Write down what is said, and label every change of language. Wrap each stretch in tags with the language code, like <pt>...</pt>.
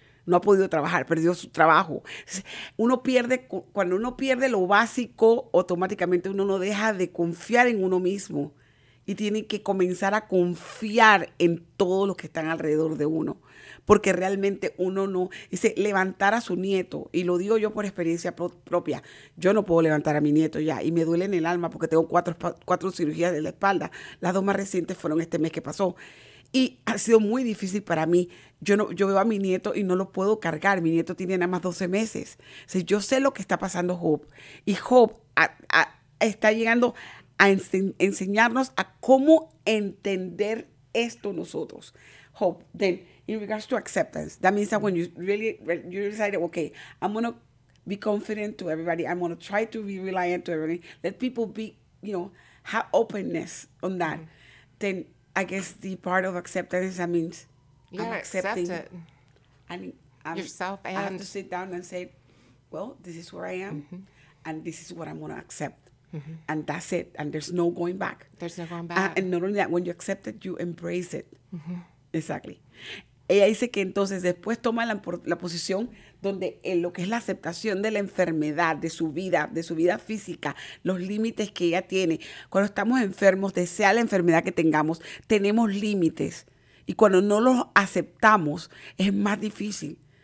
<es>No ha podido trabajar, perdió su trabajo. Uno pierde, cuando uno pierde lo básico, automáticamente uno no deja de confiar en uno mismo y tiene que comenzar a confiar en todos los que están alrededor de uno, porque realmente uno no, dice, levantar a su nieto, y lo digo yo por experiencia propia, yo no puedo levantar a mi nieto ya, y me duele en el alma porque tengo cuatro cirugías de la espalda, las dos más recientes fueron este mes que pasó, y ha sido muy difícil para mí. Yo veo a mi nieto y no lo puedo cargar. Mi nieto tiene nada más 12 meses. O sea, yo sé lo que está pasando Hope. Y Hope está llegando a enseñarnos a cómo entender esto nosotros.</es> <en>Hope, then in regards to acceptance, that means that when you decided, okay, I'm going to be confident to everybody. I'm going to try to be reliant to everybody. Let people be, you know, have openness on that. Mm-hmm. Then I guess the part of acceptance, that means I'm accepting. Accept it. Yourself and. I have to sit down and say, well, this is where I am. Mm-hmm. And this is what I'm going to accept. Mm-hmm. And that's it. And there's no going back. There's no going back. And not only that, when you accept it, you embrace it. Mm-hmm. Exactly.</en> <es>Ella dice que entonces después toma la posición donde en lo que es la aceptación de la enfermedad, de su vida física, los límites que ella tiene. Cuando estamos enfermos, sea la enfermedad que tengamos, tenemos límites. Y cuando no los aceptamos, es más difícil.</es>